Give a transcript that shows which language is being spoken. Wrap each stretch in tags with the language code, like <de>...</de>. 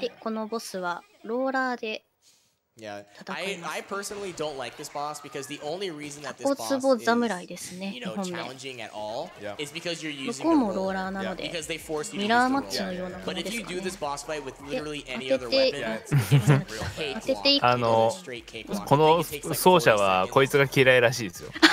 <ja>で、このボスはローラーで。</ja> <en>I personally don't like this boss because the only reason that this boss is challenging at all is because you're using the roller. Because they force you to use the roller. But if you do this boss fight with literally any other weapon, it's a real cake walk. Straight cake walk.</en> <ja>この走者はこいつが嫌いらしいですよ。</ja>